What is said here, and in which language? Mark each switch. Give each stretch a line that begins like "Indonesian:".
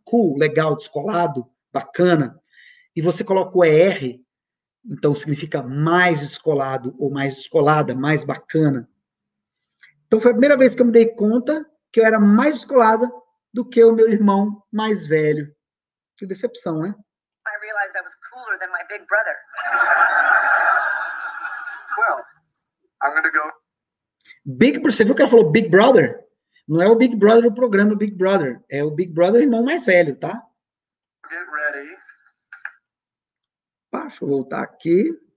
Portuguese: Cool, legal, descolado, bacana. E você coloca o ER, então significa mais descolado ou mais descolada, mais bacana. Então foi a primeira vez que eu me dei conta que eu era mais descolada do que o meu irmão mais velho. Que decepção, né?
English: I realized I was cooler than my big brother. Well, I'm gonna go.
Portuguese: Big, você viu que ela falou big brother? Não é o big brother do programa Big Brother. É o big brother, irmão mais velho, tá?
English: Get ready.
Portuguese: Deixa eu voltar aqui.